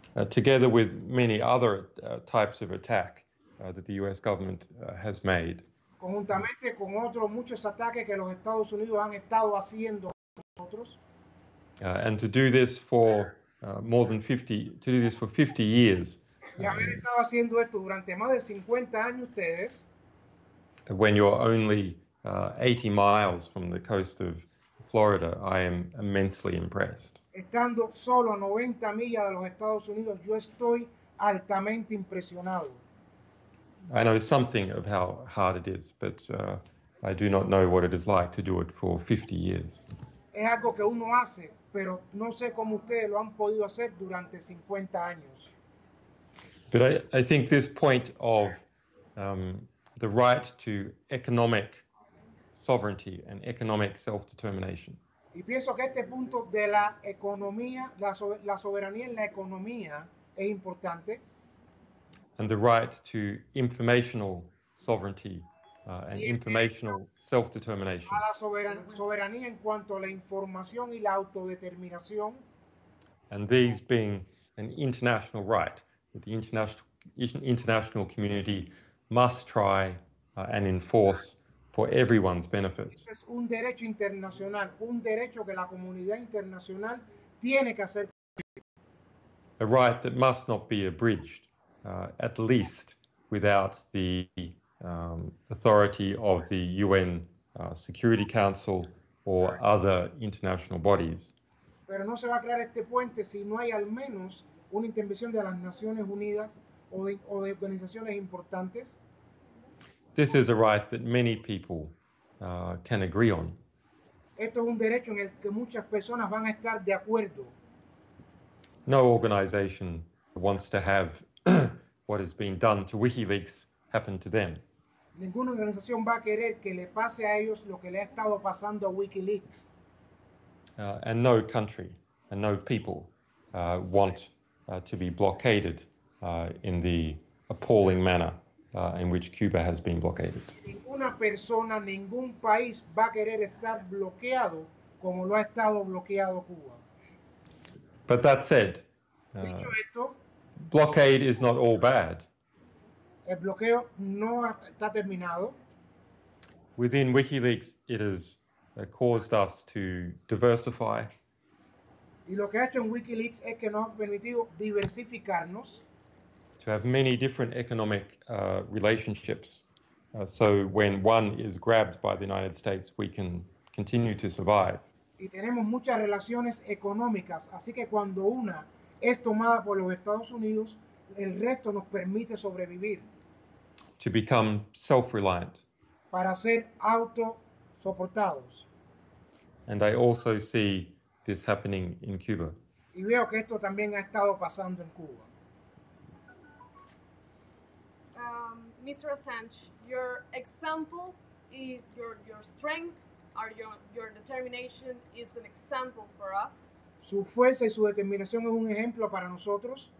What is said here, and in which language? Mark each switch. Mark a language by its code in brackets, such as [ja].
[en] Together with many other types of attack that the U.S. government has made. [es] Conjuntamente con otros muchos ataques que los Estados Unidos han estado haciendo nosotros. [en] And to do this for more than 50, to do this for 50 years. [es] Y haber estado haciendo esto durante más de 50 años ustedes. [en] When you're only 80 miles from the coast of Florida, I am immensely impressed. [es] Estando solo a 90 millas de los Estados Unidos, yo estoy altamente impresionado. [en] I know something of how hard it is, but I do not know what it is like to do it for 50 years. [es] Es algo que uno hace, pero no sé cómo ustedes lo han podido hacer durante 50 años. [en] But I think this point of the right to economic sovereignty and economic self-determination. [es] Y pienso que este punto de la economía, la soberanía en la economía, es importante. [en] And the right to informational sovereignty and informational self-determination. [es] A la soberanía en cuanto a la información y la autodeterminación. [en] And these being an international right that the international community must try and enforce for everyone's benefit. [es] Este es un derecho internacional, un derecho que la comunidad internacional tiene que hacer. [en] A right that must not be abridged, at least without the authority of the UN Security Council or other international bodies. [es] Pero no se va a crear este puente si no hay al menos una intervención de las Naciones Unidas o de organizaciones importantes. [en] This is a right that many people can agree on. [es] Esto es un derecho en el que muchas personas van a estar de acuerdo. [en] No organization wants to have what has been done to WikiLeaks happen to them. [es] Ninguna organización va a querer que le pase a ellos lo que le ha estado pasando a Wikileaks. [en] And no country and no people want to be blockaded in the appalling manner in which Cuba has been blockaded. [es] Ninguna persona, ningún país va a querer estar bloqueado como lo ha estado bloqueado Cuba. [en] But that said, blockade is not all bad. [es] El bloqueo no está terminado. [en] Within Wikileaks, it has caused us to diversify. [es] Y lo que ha hecho en Wikileaks es que nos ha permitido diversificarnos. [en] To have many different economic relationships. So when one is grabbed by the United States, we can continue to survive. [es] Y tenemos muchas relaciones económicas, así que cuando una es tomada por los Estados Unidos, el resto nos permite sobrevivir. [en] To become self-reliant. [es] Para ser autosoportados. [en] And I also see this happening in Cuba. [es] Y veo que esto también ha estado pasando en Cuba. [en] Mr. Assange, your example is your strength. Your determination is an example for us. [es] Su fuerza y su determinación es un ejemplo para nosotros.